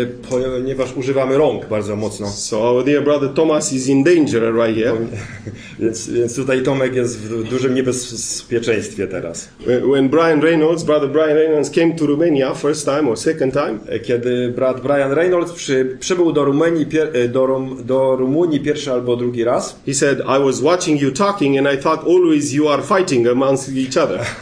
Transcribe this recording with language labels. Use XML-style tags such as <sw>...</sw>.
<pl>ponieważ używamy rąk bardzo mocno.</pl> <en>So our dear brother Thomas is in danger right here.</en> <pl>więc tutaj Tomek jest w dużym niebezpieczeństwie teraz.</pl> <en>When Brian Reynolds, brother Brian Reynolds came to Romania first time or second time,</en> <pl>kiedy brat Brian Reynolds przybył do Rumunii pierwszy albo drugi raz,</pl> <en>he said, I was watching you talking and I thought always you are fighting amongst each other.</en>